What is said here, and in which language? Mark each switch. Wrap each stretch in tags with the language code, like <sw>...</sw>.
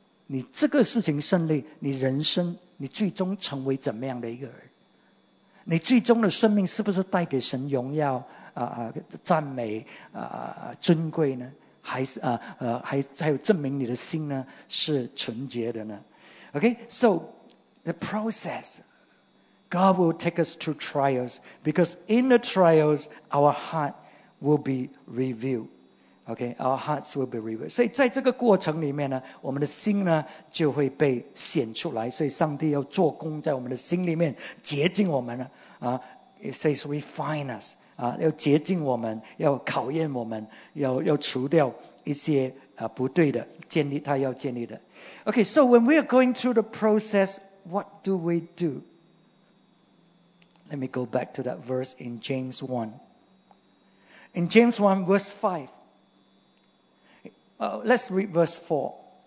<zh>你这个事情胜利，你人生你最终成为怎么样的一个人，你最终的生命是不是带给神荣耀、赞美、尊贵呢？还有证明你的心呢是纯洁的呢？</zh> <en>Okay, so the process, God will take us through trials because in the trials, our heart will be revealed. Okay, our hearts will be revealed.</en> <zh>所以在这个过程里面呢，我们的心呢就会被显出来。所以上帝要做工在我们的心里面，洁净我们呢。</zh> <en>It says refine us.</en> <zh>要洁净我们，要考验我们， 要除掉一些、不对的，建立他要建立的。</zh> <en>OK, so when we are going through the process, what do we do? Let me go back to that verse in James 1. In James 1 verse 5, let's read verse 4.</en>